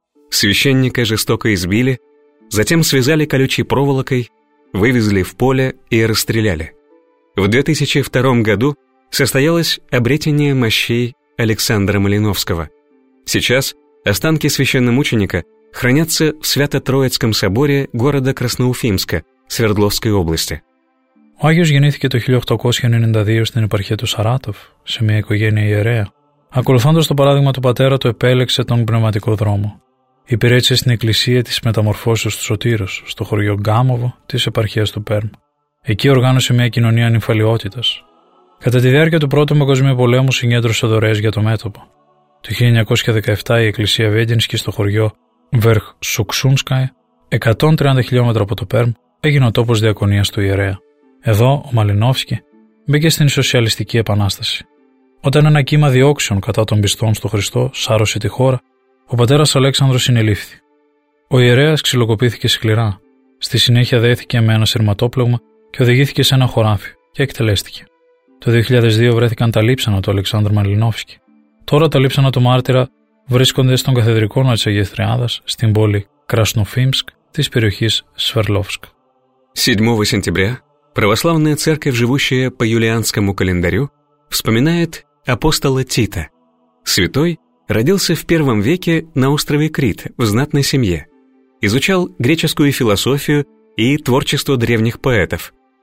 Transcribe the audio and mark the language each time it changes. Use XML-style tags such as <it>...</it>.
<ru>Священника жестоко избили, затем связали колючей проволокой, вывезли в поле и расстреляли. В 2002 году состоялось обретение мощей Александра Малиновского. Сейчас останки священномученика хранятся в Свято-Троицком соборе города Красноуфимска, Свердловской области.</ru> <el>Ο Άγιος γεννήθηκε το 1892 στην επαρχία του Σαράτοφ, σε μια οικογένεια ιερέα. Ακολουθώντας το παράδειγμα του πατέρα του, επέλεξε τον πνευματικό δρόμο. Υπηρέτησε στην εκκλησία της Μεταμορφώσεως του Σωτήρος, στο χωριό Γκάμοβο της επαρχίας του Πέρμ. Εκεί οργάνωσε μια κοινωνία νυφαλιότητας. Κατά τη διάρκεια του Πρώτου Παγκοσμίου Πολέμου συγκέντρωσε δωρεές για το μέτωπο. Το 1917 η εκκλησία Βέντινσκι στο χωριό Βερχσουξούνσκαε, 130 χιλιόμετρα από το Πέρμ, έγινε ο τόπος διακονίας του ιερέα. Εδώ ο Μαλινόφσκι μπήκε στην σοσιαλιστική επανάσταση. Όταν ένα κύμα διώξεων κατά των πιστών στο Χριστό σάρωσε τη χώρα, ο πατέρας Αλέξανδρος συνελήφθη. Ο ιερέας ξυλοκοπήθηκε σκληρά. Στη συνέχεια δέθηκε με ένα σειρματόπλεγμα και οδηγήθηκε σε ένα χωράφι και εκτελέστηκε. Το 2002 βρέθηκαν τα λείψανα του Αλεξάνδρου Μαλινόφσκι. Τώρα τα λείψανα του μάρτυρα βρίσκονται στον καθεδρικό της Αγίας Τριάδας στην πόλη Κρασνοφίμσκ της περιοχής Σβερλόφσκ. 7 σεπτεμβρίου,</el> <ru>православная церковь, живущая по юлианскому календарю, вспоминает апостола Тита. Святой родился в 1 веке на острове Крит в знатной семье. Изучал греческую философию и творчество древних поэтов.</ru>